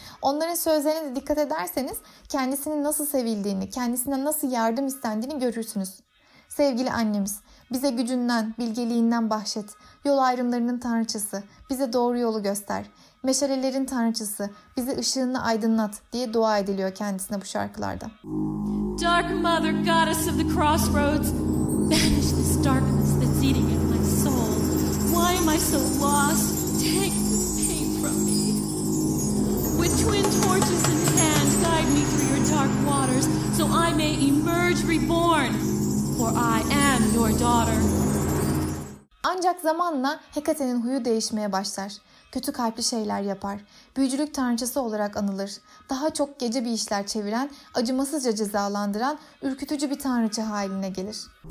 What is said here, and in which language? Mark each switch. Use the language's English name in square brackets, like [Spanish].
[Turkish] Onların sözlerine de dikkat ederseniz kendisinin nasıl sevildiğini, kendisinden nasıl yardım istendiğini görürsünüz. Sevgili annemiz, bize gücünden, bilgeliğinden bahşet. Yol ayrımlarının tanrıçası, bize doğru yolu göster. Meşalelerin tanrıçası, bize ışığını aydınlat diye dua ediliyor kendisine bu şarkılarda. [English] Dark mother, goddess of the crossroads, banish this darkness that's eating at my soul. Why am I so lost? Take this pain from me. With twin torches in hand, guide me through your dark waters, so I may emerge reborn. For I am your daughter. [Turkish] Ancak zamanla Hekate'nin huyu değişmeye başlar. Kötü kalpli şeyler yapar. Büyücülük tanrıçası olarak anılır. Daha çok gece bir işler çeviren, acımasızca cezalandıran, ürkütücü bir tanrıça haline gelir.